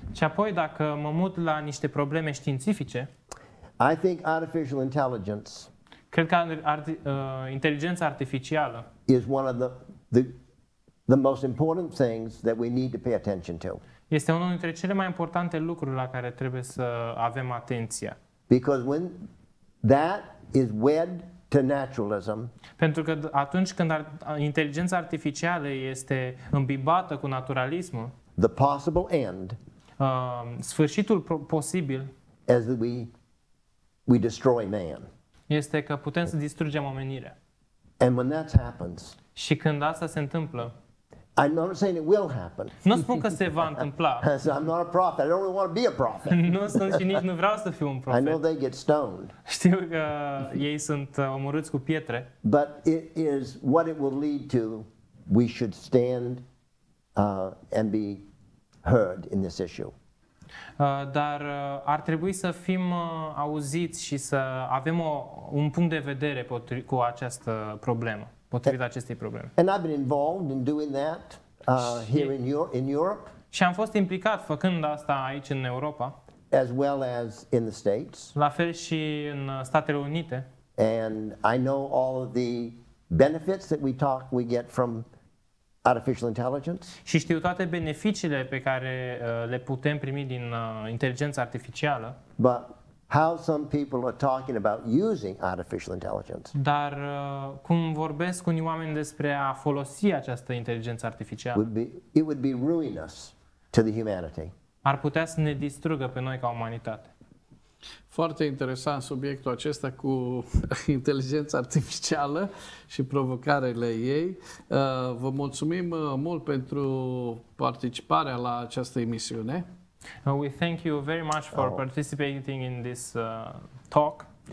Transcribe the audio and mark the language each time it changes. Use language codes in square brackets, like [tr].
[ro] Și apoi dacă mă mut la niște probleme științifice. [en] I think artificial intelligence. [ro] Cred că inteligența artificială [en] is one of the most important things that we need to pay attention to. [ro] Este unul dintre cele mai importante lucruri la care trebuie să avem atenția. [en] Because when that is wed to naturalism. [ro] Pentru că atunci când inteligența artificială este îmbibată cu naturalismul, [en] the possible end, [ro] sfârșitul posibil, [en] as we destroy man. [ro] Este că putem să distrugem omenirea. [en] And when that happens, [ro] și când asta se întâmplă, [en] I'm not saying it will happen. [ro] Nu spun că se va întâmpla. [en] So I'm not a prophet. I don't really want to be a prophet. [ro] Nu sunt și nici nu vreau să fiu un prophet. [en] I know they get stoned. [ro] Știu că ei sunt omorâți cu pietre. [en] But it is what it will lead to. We should stand and be heard in this issue. [ro] Dar ar trebui să fim auziți și să avem un punct de vedere cu această problemă. Potrivit acestei probleme. [en] And I've been involved in doing that here in Europe. [ro] Și am fost implicat făcând asta aici în Europa. [en] As well as in the States. [ro] La fel și în Statele Unite. [en] And I know all of the benefits that we get from artificial intelligence. [ro] Și știu toate beneficiile pe care le putem primi din inteligența artificială. [en] But how some people are talking about using artificial intelligence. [ro] Dar cum vorbesc unii oameni despre a folosi această inteligență artificială? [en] It would be ruinous to the humanity. [ro] Ar putea să ne distrugă pe noi ca umanitate. Foarte interesant subiectul acesta cu inteligența artificială și provocarele ei. Vă mulțumim mult pentru participarea la această emisiune. [en] We thank you very much for participating in this talk.